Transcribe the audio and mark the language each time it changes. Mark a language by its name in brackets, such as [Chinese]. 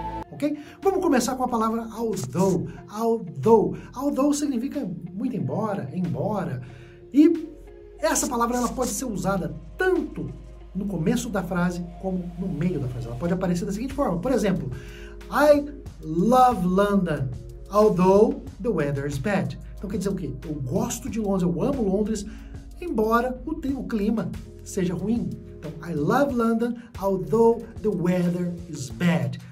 [Portuguese] Ok? Vamos começar com a palavra although. Although. Although significa muito embora, embora. E essa palavra ela pode ser usada tanto no começo da frase como no meio da frase. Ela pode aparecer da seguinte forma. Por exemplo, [English] I love London, although the weather is bad. [Portuguese] Então quer dizer o quê? Eu gosto de Londres, eu amo Londres, embora o clima seja ruim. Então, [English] I love London, although the weather is bad.